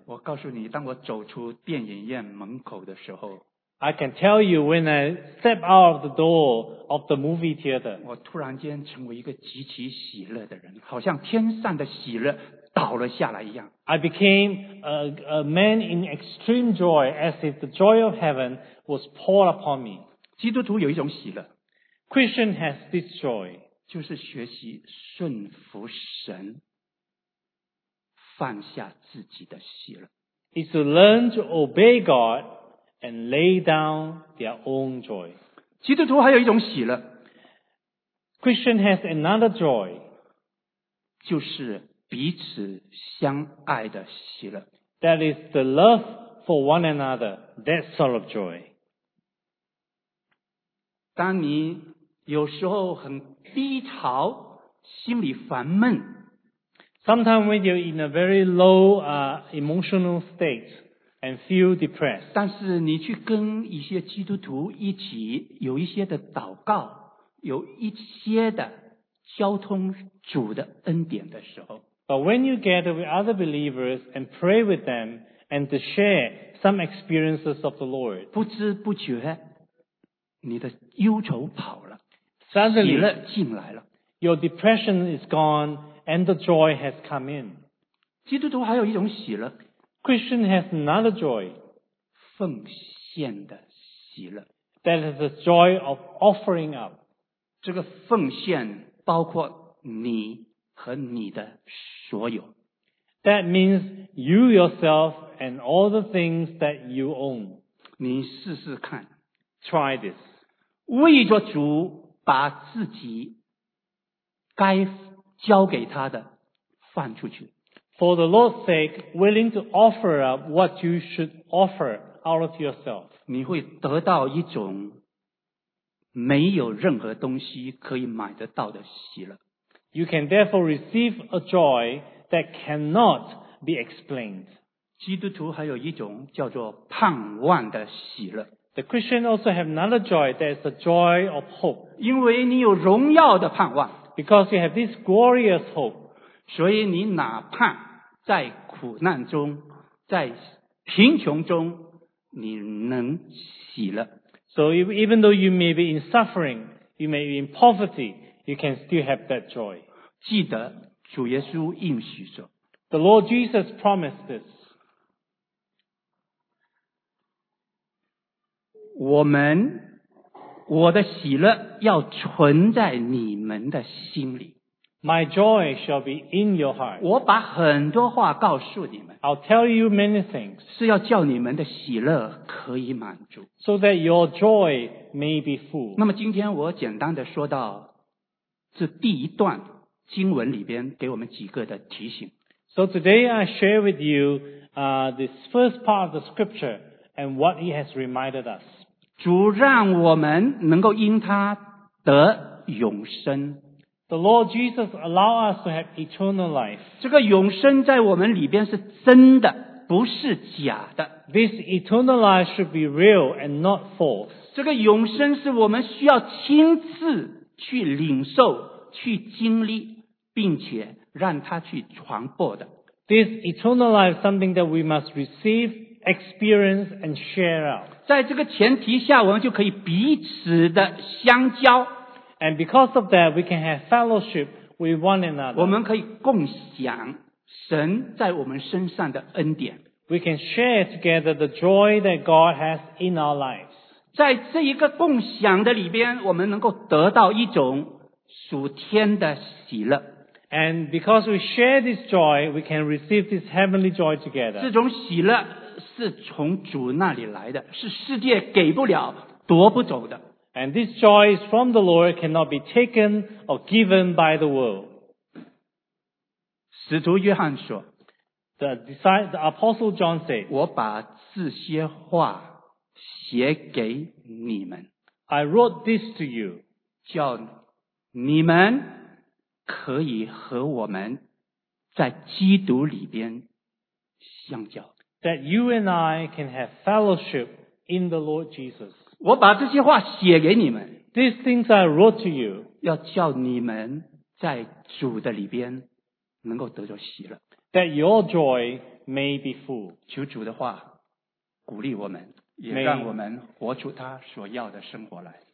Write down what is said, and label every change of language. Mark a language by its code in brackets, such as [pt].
[zh] 我告诉你，当我走出电影院门口的时候， [en] I can tell you when I step out of the door of the movie theater. [zh] 我突然间成为一个极其喜乐的人，好像天上的喜乐倒了下来一样。 [en] I became a man in extreme joy, as if the joy of heaven was poured upon me. [zh] 基督徒有一种喜乐。 [en] Christian has this joy. [zh] 就是学习顺服神，放下自己的喜乐。 [en] It's to learn to obey God and lay down their own joy. [zh] 基督徒还有一种喜乐。 [en] Christian has another joy. [zh] 就是彼此相爱的喜乐。 [en] That is the love for one another, that sort of joy. [zh] 当你有时候很低潮，心里烦闷。 [en] Sometimes when you're in a very low, emotional state and feel depressed. [zh] 但是你去跟一些基督徒一起有一些的祷告，有一些的交通主的恩典的时候。 [en] But when you gather with other believers and pray with them and to share some experiences of the Lord. [zh] 不知不觉，你的忧愁跑了。 [en] Suddenly, [zh] 喜乐进来了。 [en] Your depression is gone and the joy has come in. [zh] 基督徒还有一种喜乐。 [en] Christian has another joy. [zh] 奉献的喜乐。 [en] That is the joy of offering up. [zh] 这个奉献包括你和你的所有。 [en] That means you yourself and all the things that you own. [zh] 你试试看。 [en] Try this. [zh] 为着主把自己该交给他的放出去。 [en] For the Lord's sake, willing to offer up what you should offer out of yourself. [zh] 你会得到一种没有任何东西可以买得到的喜乐。 [en] You can therefore receive a joy that cannot be explained. [zh] 基督徒还有一种叫做盼望的喜乐。 [en] The Christian also have another joy, that is the joy of hope. [zh] 因为你有荣耀的盼望。 [en] Because you have this glorious hope. [zh] 所以你哪怕在苦难中，在贫穷中，你能喜乐。 [en] So even though you may be in suffering, you may be in poverty, you can still have that joy. [zh] 记得主耶稣应许说。 [en] The Lord Jesus promised this. [zh] 我的喜乐要存在你们的心里。 [en] My joy shall be in your heart. [zh] 我把很多话告诉你们。 [en] I'll tell you many things. [zh] 是要叫你们的喜乐可以满足。 [en] So that your joy may be full. [zh] 那么今天我简单的说到这第一段经文里边给我们几个的提醒。 [en] So today I share with you, this first part of the scripture and what he has reminded us. [zh] 主让我们能够因他得永生。 [en] The Lord Jesus allow us to have eternal life. [zh] 这个永生在我们里边是真的，不是假的。 [en] This eternal life should be real and not false. [zh] 这个永生是我们需要亲自去领受、去经历，并且让它去传播的。 [en] This eternal life is something that we must receive, experience, and share out. [zh] 在这个前提下，我们就可以彼此的相交。 [en] And because of that, we can have fellowship with one another. [zh] 我们可以共享神在我们身上的恩典。 [en] We can share together the joy that God has in our lives. [zh] 在这一个共享的里边，我们能够得到一种属天的喜乐。 [en] And because we share this joy, we can receive this heavenly joy together. [zh] 这种喜乐是从主那里来的，是世界给不了、夺不走的。 [en] And this joy is from the Lord, cannot be taken or given by the world. [zh] 使徒约翰说 [en] the Apostle John said, [zh] 我把这些话写给你们。 [en] I wrote this to you. [zh] 叫你们可以和我们在基督里边相交。 [en] That you and I can have fellowship in the Lord Jesus. [zh] 我把这些话写给你们。 [en] These things I wrote to you. [zh] 要叫你们在主的里边能够得着喜乐。 [en] That your joy may be full. [zh] 求主的话鼓励我们，也让我们活出他所要的生活来。